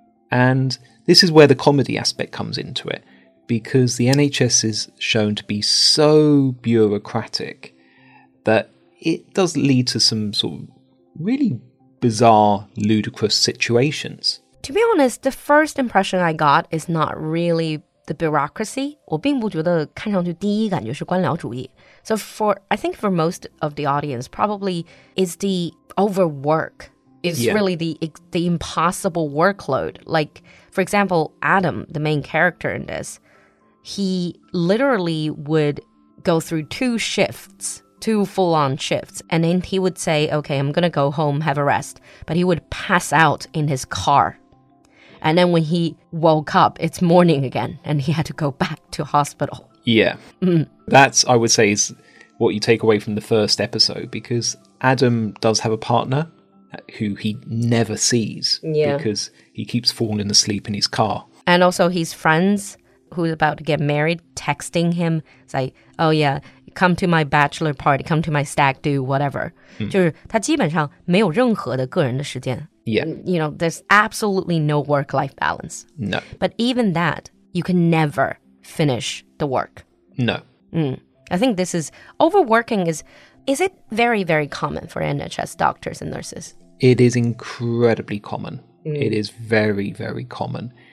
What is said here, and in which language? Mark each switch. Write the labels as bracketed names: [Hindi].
[English] And this is where the comedy aspect comes into it, because the NHS is shown to be so bureaucratic that it does lead to some sort of really bizarre, ludicrous situations. To be honest, the first impression I got is not really the bureaucracy. [Chinese] 我并不觉得看上去第一感觉是官僚主义。 [English] So I think for most of the audience, probably is the overwork. It's really the impossible workload. Like, for example, Adam, the main character in this, he literally would go through two full-on shifts, and then he would say, okay, I'm going to go home, have a rest. But he would pass out in his car. And then when he woke up, it's morning again, and he had to go back to hospital. Yeah. That's, I would say, is what you take away from the first episode, because Adam does have a partner who he never sees because he keeps falling asleep in his car. And also his friends, who's about to get married, texting him, say, oh yeah, come to my bachelor party, come to my stag do, whatever. [Chinese] 就是他基本上没有任何的个人的时间。 [English] Yeah. You know, there's absolutely no work-life balance. No. But even that, you can never finish the work. No. I think this is, overworking is it very, very common for NHS doctors and nurses? It is incredibly common. It is very, very common.